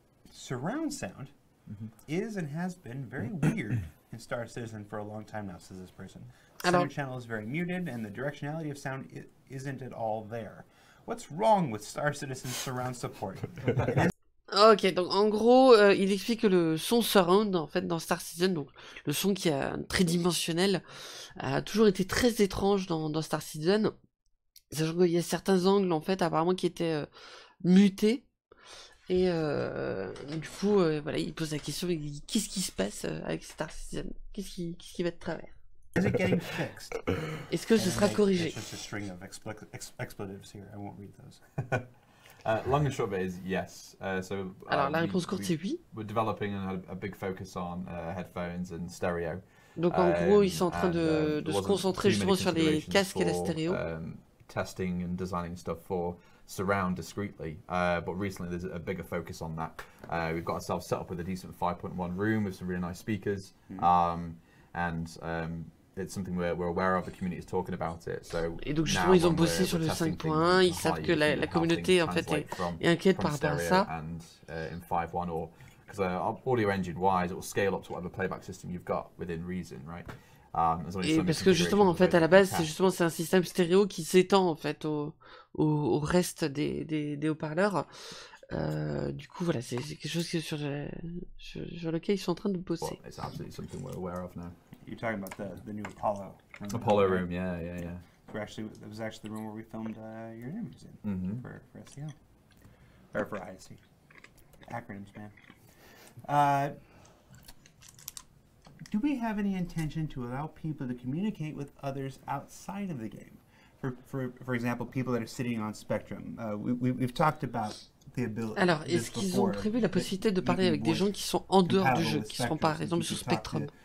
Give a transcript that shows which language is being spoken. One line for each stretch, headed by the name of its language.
English: Surround sound is and has been very weird in Star Citizen for a long time now, says this person. Center channel is very muted, and the directionality of sound isn't at all there. What's wrong with Star Citizen's surround support?
French: Ok, donc en gros, il explique que le son surround, en fait, dans Star Citizen, donc le son qui est tridimensionnel, a toujours été très étrange dans Star Citizen. Sachant qu'il y a certains angles, en fait, apparemment, qui étaient mutés. Et du coup, voilà, il pose la question, il dit, qu'est-ce qui se passe avec Star Citizen? Qu'est-ce qui va de travers?
English: Is it getting fixed?
French: Est-ce que ce sera corrigé?
English: It's just a string of expletives here. I won't read those. Long and short bit is yes. So
French: alors la réponse courte c'est oui.
English: We're developing and had a big focus on headphones and stereo.
French: Donc en gros ils sont en train de se concentrer justement sur les casques et la stéréo.
English: Testing and designing stuff for surround discreetly, but recently there's a bigger focus on that. We've got ourselves set up with a decent 5.1 room with some really nice speakers. And it's something we're aware of, the community is talking about it. So
French: et donc justement, ils ont bossé sur le 5.1, ils savent que la communauté en fait est inquiète par rapport à ça.
English: And in 5.1, or because audio engine wise, it will scale up to whatever playback system you've got within reason, right?
French: Et parce que justement, en fait, à la base, c'est un système stéréo qui s'étend en fait au reste des haut-parleurs. Du coup, voilà, c'est quelque chose sur lequel ils sont en train de bosser.
English: It's absolutely something we're aware of now. You're talking about the new Apollo room. Apollo room, yeah. It was actually the room where we filmed your interviews in for SEO. Or for ISD. Acronyms, man. Do we have any intention to allow people to communicate with others outside of the game? For example, people that are sitting on Spectrum. We've talked about the ability.
French: Alors, est-ce qu'ils ont prévu la possibilité de parler avec des gens qui sont en dehors du jeu, qui ne sont pas, par exemple, sur Spectrum?